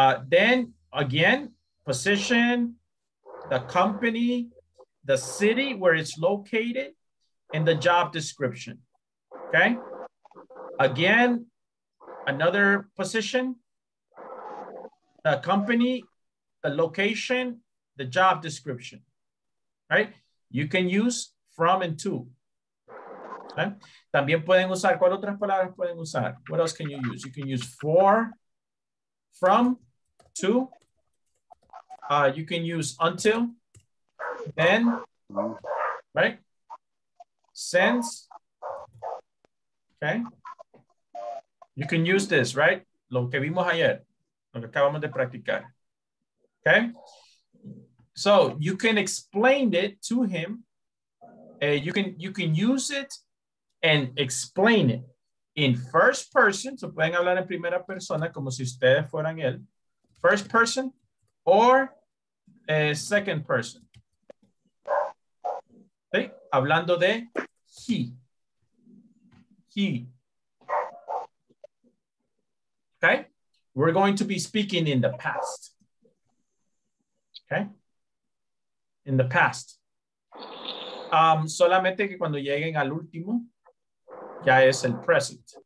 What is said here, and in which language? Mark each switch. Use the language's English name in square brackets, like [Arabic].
[English] Then again, position, the company, the city where it's located, and the job description, okay? Again, another position, the company, the location, the job description, right? You can use from and to, okay? [Spanish] También pueden usar, ¿cuál otras palabras pueden usar? [English] What else can you use? You can use for, from, to, you can use until, then, right? Since, okay? You can use this, right? [Spanish] Lo que vimos ayer, lo que acabamos de practicar, okay? [English] So you can explain it to him. You can use it and explain it, in first person, [Spanish] so pueden hablar en primera persona como si ustedes fueran él. [English] First person or second person. [Spanish] ¿Sí? Hablando de he. He. [English] Okay? We're going to be speaking in the past. Okay? In the past. [Spanish] Solamente que cuando lleguen al último, ya es el present.